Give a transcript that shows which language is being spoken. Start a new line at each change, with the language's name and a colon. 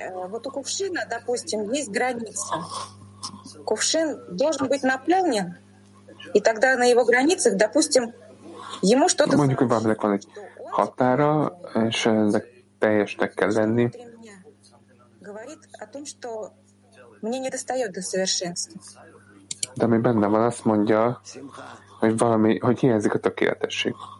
Russian: Вот у кувшина, допустим, есть граница. Кувшин должен быть наполнен, и тогда на его границах, допустим, ему что-то...
Hungarian: Mondjuk, hogy valaminek van egy határa, és ennek teljesnek kell lenni.
Russian: Говорит о том, что мне не достает до совершенства.
Hungarian: De ami benne van, azt mondja, hogy valami, hogy hiányzik a tökéletesség.